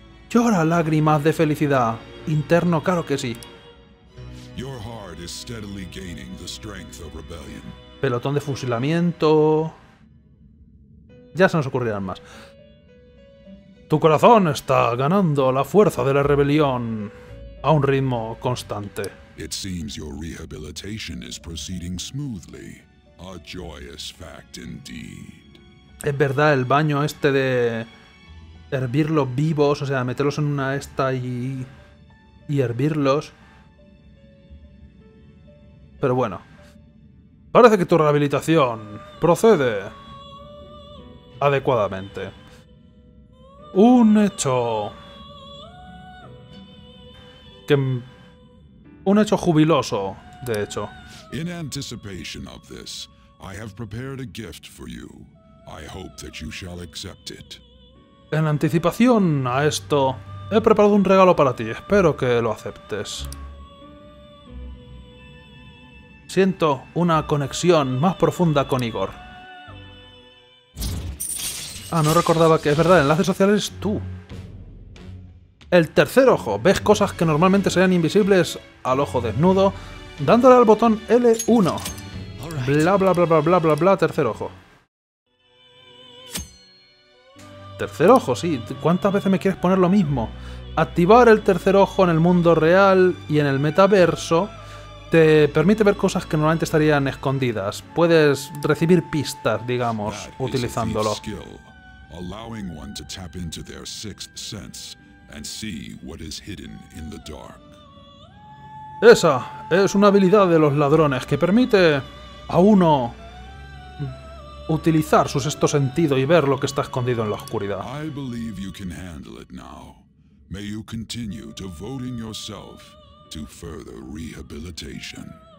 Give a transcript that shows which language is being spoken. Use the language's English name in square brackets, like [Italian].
[Spanish] Llora lágrimas de felicidad, interno, claro que sí. [English] Your heart is steadily gaining the strength of rebellion. [Spanish] Pelotón de fusilamiento... Ya se nos ocurrirán más. Tu corazón está ganando la fuerza de la rebelión a un ritmo constante. [English] It seems your rehabilitation is proceeding smoothly. A joyous fact indeed. [Spanish] Es verdad, el baño este de hervirlos vivos, o sea, meterlos en una esta y hervirlos. Pero bueno. Parece que tu rehabilitación procede adecuadamente. Un hecho... Un hecho jubiloso, de hecho. [English] In anticipation of this, I have prepared a gift for you. I hope that you shall accept it. [Spanish] En anticipación a esto, he preparado un regalo para ti. Espero que lo aceptes. Siento una conexión más profunda con Igor. Ah, no recordaba que es verdad, el enlace social es tú. El tercer ojo. Ves cosas que normalmente serían invisibles al ojo desnudo, dándole al botón L1. Bla, bla, bla, bla, bla, bla, bla, tercer ojo. Tercer ojo, sí. ¿Cuántas veces me quieres poner lo mismo? Activar el tercer ojo en el mundo real y en el metaverso Te permite ver cosas que normalmente estarían escondidas. Puedes recibir pistas, digamos, utilizándolo. [English] Allowing one to tap into their sixth sense and see what is hidden in the dark. [Spanish] Esa es una habilidad de los ladrones que permite a uno utilizar su sexto sentido y ver lo que está escondido en la oscuridad. [English] I believe you can handle it now. May you continue devoting yourself to further rehabilitation.